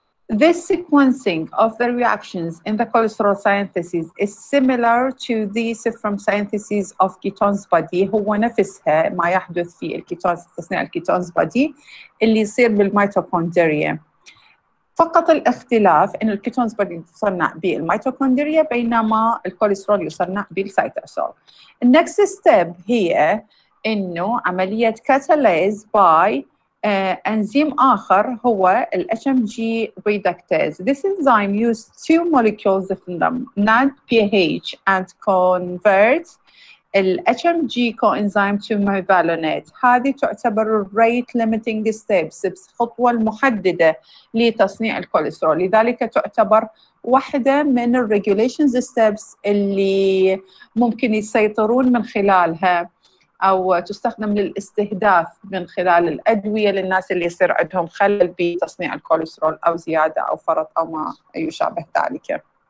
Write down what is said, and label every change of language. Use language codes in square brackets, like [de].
[en] This sequencing of the reactions in the cholesterol synthesis is similar to the serum synthesis of ketones body. [ar] هو نفسها ما يحدث في الكيتونز تصنيع الكيتونز body اللي يصير بالميتوكوندريا. فقط الاختلاف إن الكيتونز body يصنع بالميتوكوندريا بينما الكوليسترول يصنع بالسيتوسول. [en] The next step here [ar] إنه عملية [en] catalyze by [ar] انزيم اخر هو ال HMG reductase. [en] This enzyme uses two molecules of them, NADPH, and converts ال HMG coenzyme to mevalonate. [ar] هذه تعتبر [en] rate limiting steps, [ar] الخطوة المحددة لتصنيع الكوليسترول. لذلك تعتبر واحدة من ال regulation steps اللي ممكن يسيطرون من خلالها أو تستخدم للاستهداف من خلال الأدوية للناس اللي يصير عندهم خلل بتصنيع الكوليسترول أو زيادة أو فرط أو ما يشابه ذلك.